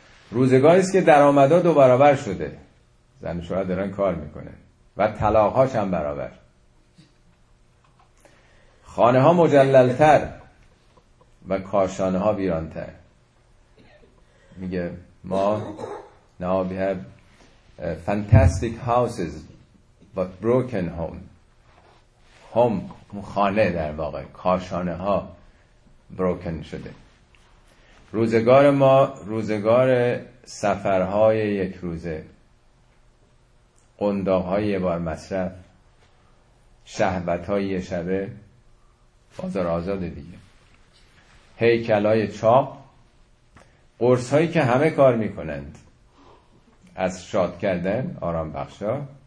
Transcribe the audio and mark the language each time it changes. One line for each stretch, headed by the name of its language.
Persian: روزگاری است که درآمدها دو برابر شده، زن و شوهر دارن کار میکنه و طلاق هاش هم برابر، خانه ها مجللتر و کارشانه ها ویرانتر. میگه ما
English: now we have fantastic houses but broken home،
Persian: خانه در واقع کارشانه ها
English: broken
Persian: شده. روزگار ما روزگار سفرهای یک روزه، قنداق های یه بار مصرف، شهوت های یه شبه، بازار آزاد دیگه، هیکلای چاق، قرص هایی که همه کار می کنند، از شاد کردن آرام بخشا